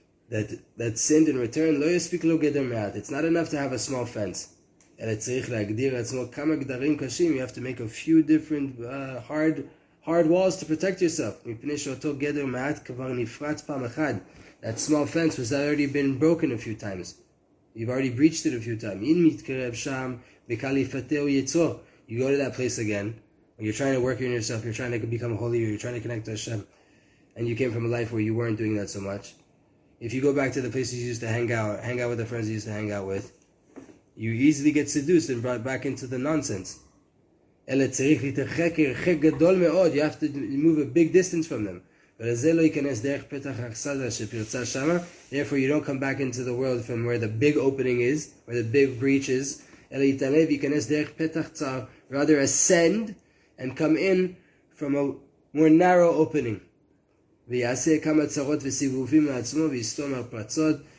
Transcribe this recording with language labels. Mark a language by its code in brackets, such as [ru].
[en] that sinned in return, [he] lo yispik lo geder me'at. [en] It's not enough to have a small fence. And it's [he] צריך להגדיר עצמו כמה גדרים קשים. [en] You have to make a few different hard walls to protect yourself. [he] מפני שאותו גדר מעט כבר נפרץ פעם אחד. [en] That small fence has already been broken a few times. You've already breached it a few times. [he] אם מתקרב שם וקל יפתהו יצרו. [en] You go to that place again. You're trying to work on yourself. You're trying to become holy. You're trying to connect to Hashem. And you came from a life where you weren't doing that so much. If you go back to the places you used to hang out with the friends you used to hang out with, you easily get seduced and brought back into the nonsense. [he] אלא צריך להתרחק הרחק גדול מאוד. [en] You have to move a big distance from them. [he] ולזה לא ייכנס דרך פתח הכסדה שפרצה שמה. [en] Therefore, you don't come back into the world from where the big opening is, where the big breach is. [he] אלא יתעלב, ייכנס דרך פתח צר. [en] Rather, ascend and come in from a more narrow opening. [he] ויעשה כמה צרות וסיבובים לעצמו ויסתום הפרצות.